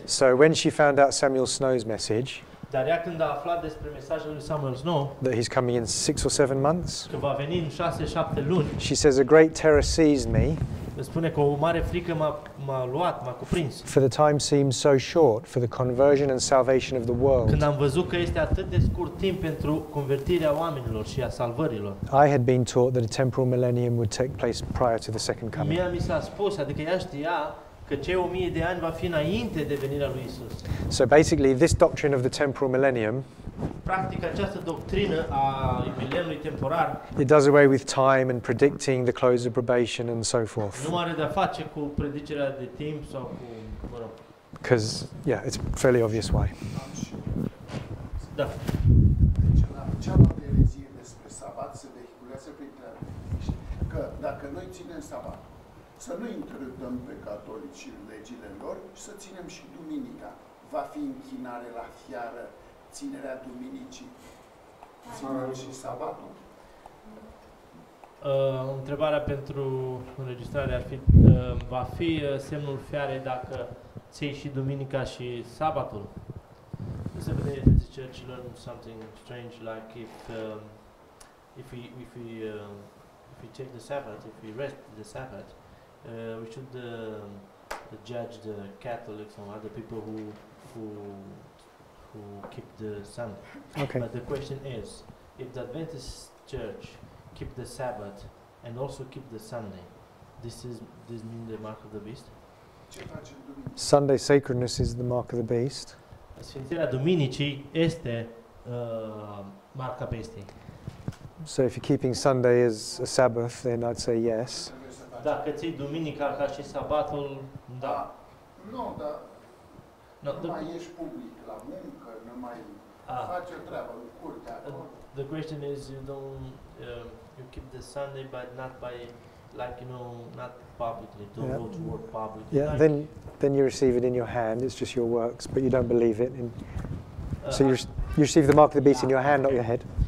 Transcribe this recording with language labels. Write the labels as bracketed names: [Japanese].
[English] So when she found out Samuel Snow's message. [Romanian] Dar ea când a aflat despre mesajul lui Samuel Snow. [English] That he's coming in 6 or 7 months. [Romanian] Că va veni în 6-7 luni. [English] She says a great terror seized me. [Romanian] Spune că o mare frică m-a luat, m-a cuprins. [English] For the time seems so short for the conversion and salvation of the world. [Romanian] Când am văzut că este atât de scurt timp pentru convertirea oamenilor și a salvărilor. [English] I had been taught that a temporal millennium would take place prior to the second coming. [Romanian] Mi s-a spus, adică ea știa că cei 1000 de ani va fi înainte de venirea lui Isus. [English] So basically this doctrine of the temporal millennium. [Romanian] practic această doctrină a mileniului temporar. [English] It does away with time and predicting the close of probation and so forth. [Romanian] Nu are de-a face cu predicerea de timp sau cu, mă rog. [English] Cuz yeah, it's fairly obvious why. [Romanian] Da. Deci la cealaltă erezie despre sabat se vehiculează prin că dacă noi ținem sabat, să nu interupem pe catolici în legile lor și să ținem și duminica. Va fi închinare la fiară, ținerea duminicii. Ținerea și sabatul. Întrebarea pentru înregistrare ar fi va fi semnul fiarei dacă ții și duminica și sabatul. [English] The church learned something strange, like if we take the Sabbath, if we rest the Sabbath, we should judge the Catholics and other people who keep the Sabbath. Okay. But the question is, if the Adventist Church keep the Sabbath and also keep the Sunday, this mean the mark of the beast? Sunday sacredness is the mark of the beast. [Romanian] Sfințirea duminicii este marca bestiei. [English] So if you're keeping Sunday as a Sabbath, then I'd say yes. [Romanian] Dacă ții duminica ca și sabatul, da. Nu, no, dar nu mai ești public la muncă, nu mai faci o treabă în curte acolo. [English] The question is, you don't you keep the Sunday, but not by, like, you know, not publicly, don't go to work publicly. Yeah, like, then you receive it in your hand, it's just your works, but you don't believe it. And so you receive the mark of the beast in your hand, not your head.